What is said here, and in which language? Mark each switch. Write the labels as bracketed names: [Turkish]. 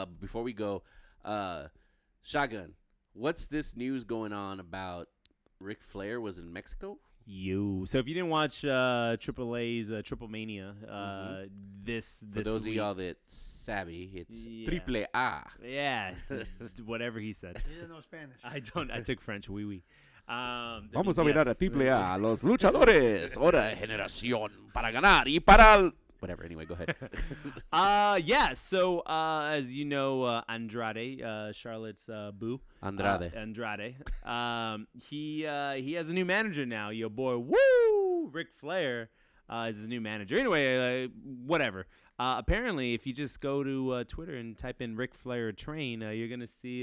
[English] Before we go, Shotgun, what's this news going on about Ric Flair was in Mexico? So if you didn't watch AAA's Triple Mania, this for those week, of y'all that savvy, it's Triple A. Yeah, whatever he said. He didn't know Spanish. I don't. I took French. [French] Oui, oui. [Spanish] Vamos a mirar a triple A, los luchadores, ahora generación para ganar y para el... [English] Whatever, anyway, go ahead. As you know, Andrade, Charlotte's boo. Andrade. He has a new manager now, your boy, woo, Ric Flair is his new manager. Anyway, whatever. Apparently, if you just go to Twitter and type in Ric Flair train, you're gonna see.